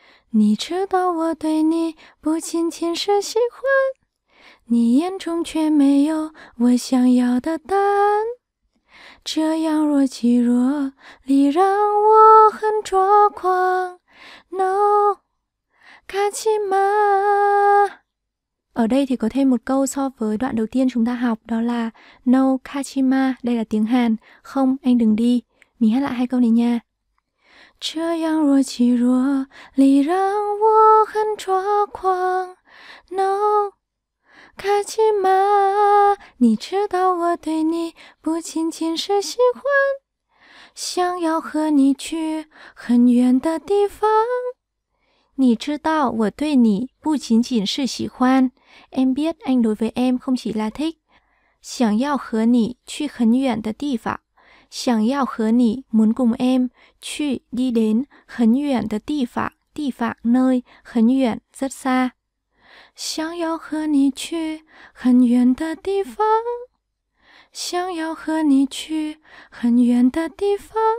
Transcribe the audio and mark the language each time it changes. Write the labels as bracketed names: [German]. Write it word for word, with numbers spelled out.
[Chinese] 你知道我对你不仅仅是喜欢，你眼中却没有我想要的答案。这样若即若离让我很抓狂 [Korean] No 卡奇玛. [Vietnamese] Ở đây thì có thêm một câu so với đoạn đầu tiên chúng ta học, đó là No Kachima, đây là tiếng Hàn, không anh đừng đi. Mình hát lại hai câu này nha. [Chinese] 这样若即若离让我很抓狂 [Korean] No卡奇玛， [Chinese] 你知道我对你不仅仅是喜欢，想要和你去很远的地方。你知道我对你不仅仅是喜欢， [Vietnamese] em biết anh đối với em không chỉ là thích. [Chinese] 想要和你去很远的地方，想要和你 [Vietnamese] muốn cùng em [Chinese] 去 [Vietnamese] đi đến [Chinese] 很远的地方，地方 [Vietnamese] nơi [Chinese] 很远 [Vietnamese] rất xa. [Chinese] 想要和你去很远的地方，想要和你去很远的地方。